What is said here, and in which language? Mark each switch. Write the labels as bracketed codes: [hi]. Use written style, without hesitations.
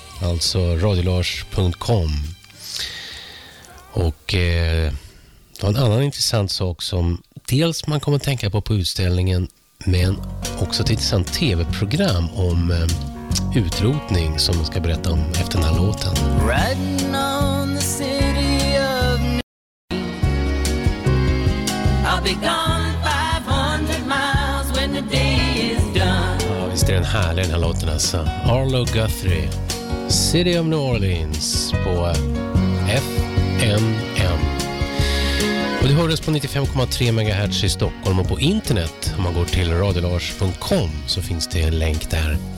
[sv] Alltså radiolars.com. Och det var en annan intressant sak som dels man kommer att tänka på utställningen, men också ett intressant tv-program om utrotning som jag ska berätta om efter den här låten. [en] Riding on the city of New York. I'll be gone 500 miles when the day is done. [sv] Ja, visst är den härlig den här låten alltså. Arlo Guthrie, City of New Orleans på FMM. Och det hördes på 95,3 MHz i Stockholm och på internet. Om man går till radiolars.com så finns det en länk där.